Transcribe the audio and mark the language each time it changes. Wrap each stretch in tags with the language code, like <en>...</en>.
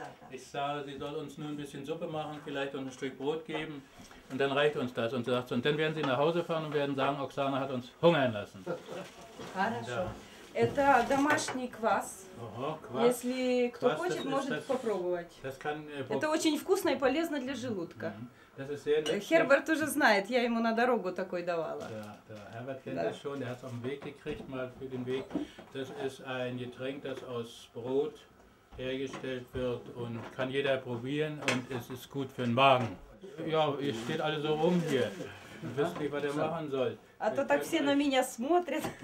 <de>Ich sage, sie soll uns nur ein bisschen Suppe machen, vielleicht und ein Stück Brot geben. Und dann reicht uns das. Und, sagt, und dann werden sie nach Hause fahren und werden sagen, Oksana hat uns hungern lassen.</de> <ru>Это домашний квас. Квас. Если кто квас, хочет, может das, попробовать.</ru> <de>Das kann,</de> <ru>это очень вкусно и полезно для желудка.</ru> <de>Das ist sehr nett.</de> <ru>Херберт уже знает, я ему на дорогу такой давала.</ru> <de>Херберт kennt das schon, der hat es auf den Weg gekriegt, mal für den Weg. Das ist ein Getränk, das aus Brot hergestellt wird und kann jeder probieren und es ist gut für den Magen. Ja, es steht alles so rum hier. Ich weiß nicht, was er machen soll.</de> <ru>А то так все на меня смотрят.</ru>